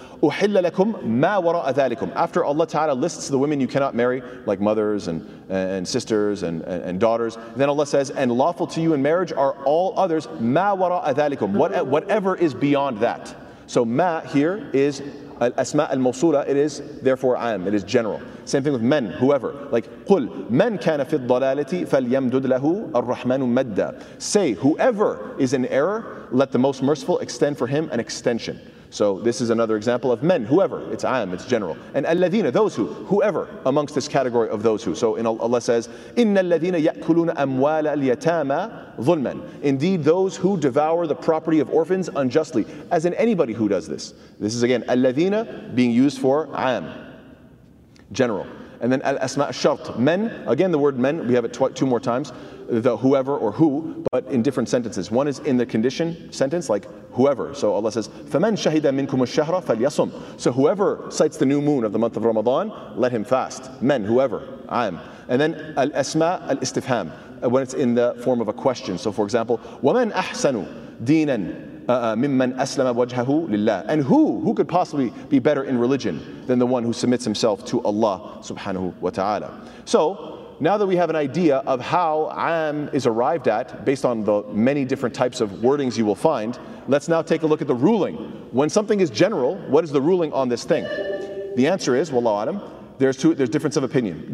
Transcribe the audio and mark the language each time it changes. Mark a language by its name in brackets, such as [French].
[English] Uhilla lakum ma wara'a dhalikum. After Allah Ta'ala lists the women you cannot marry, like mothers and sisters and daughters, then Allah says, and lawful to you in marriage are all others, ma wara'a dhalikum, whatever is beyond that. So ma here is [Arabic] الأسماء الموصولة, [English] it is therefore عام, it is general. Same thing with men, whoever. Like, [Arabic] قل من كان في الضلالة فليمدد له الرحمن مدا. [English] Say, whoever is in error, let the most merciful extend for him an extension. So this is another example of men, whoever, it's عام, it's general. And الذين, those who, whoever, amongst this category of those who. So in Allah says, [Arabic] إن الذين يأكلون أموال اليتامى ظلما. [English] Indeed, those who devour the property of orphans unjustly, as in anybody who does this. This is again, الذين being used for عام, general. And then [Arabic] الأسماء الشرط, [English] men, again the word men, we have it two more times, the whoever or who, but in different sentences. One is in the condition sentence, like whoever. So Allah says, [Arabic] فَمَنْ شَهِدَ مِنْكُمُ الشَّهْرَ فَلْيَصُمْ. [English] So whoever cites the new moon of the month of Ramadan, let him fast. Men, whoever, عام. And then [Arabic] الأسماء الاستفهام, [English] when it's in the form of a question. So for example, [Arabic] وَمَنْ أَحْسَنُ دِينًا مِمَّنْ أَسْلَمَ وَجْهَهُ لِلَّهِ. [English] And who could possibly be better in religion than the one who submits himself to Allah subhanahu wa ta'ala? So now that we have an idea of how عام is arrived at based on the many different types of wordings you will find, let's now take a look at the ruling. When something is general, what is the ruling on this thing? The answer is, wallahu alam, there's difference of opinion.